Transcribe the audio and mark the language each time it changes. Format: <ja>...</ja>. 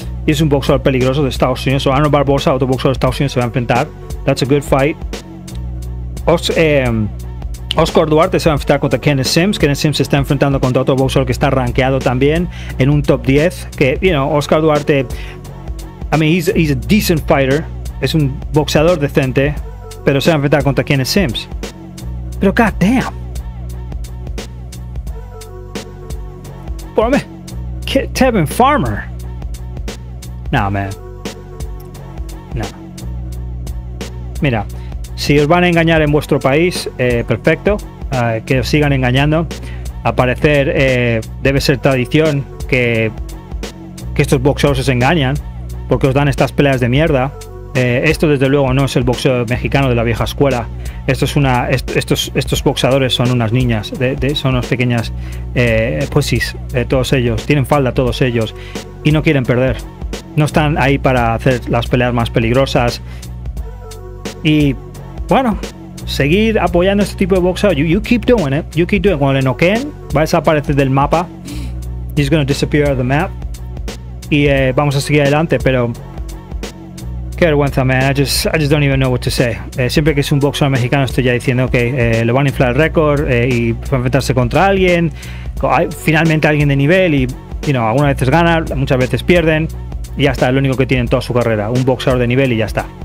<es>Y es un boxeador peligroso de Estados Unidos. So Arnold Barbosa, otro boxeador de Estados Unidos, se va a enfrentar.</es> <en>That's a good fight.</en> <es>Oscar Duarte se va a enfrentar contra Kenneth Sims. Kenneth Sims se está enfrentando contra otro boxeador que está rankeado también en un top 10.</es> <en>Que, Oscar Duarte, I mean, he's a decent fighter.</en> <es>Es un boxeador decente, pero se va a enfrentar contra Kenneth Sims. Pero</es> <en>god damn.</en> <es>Por mí, Tevin Farmer. Nah, man. Nah. Mira, si os van a engañar en vuestro país, perfecto. Que os sigan engañando. Al parecer, debe ser tradición que estos boxeadores se engañan, porque os dan estas peleas de mierda. Esto desde luego no es el boxeo mexicano de la vieja escuela. Estos boxeadores son unas niñas, son unas pequeñas pussies, todos ellos. Tienen falda todos ellos y no quieren perder. No están ahí para hacer las peleas más peligrosas. Y bueno, seguir apoyando este tipo de boxeo.</es> <en>You keep doing it, you keep doing it.</en> <es>Cuando le noqueen, va a desaparecer del mapa.</es> <en>He's gonna disappear the map.</en> <es>Y vamos a seguir adelante, pero... Qué vergüenza, man.</es> <en>I just don't even know what to say.</en> <es>Siempre que es un boxeador mexicano estoy ya diciendo que le van a inflar el récord y va a enfrentarse contra alguien. Finalmente alguien de nivel y, algunas veces ganan, muchas veces pierden. Y ya está, es lo único que tienen toda su carrera. Un boxeador de nivel y ya está.</es>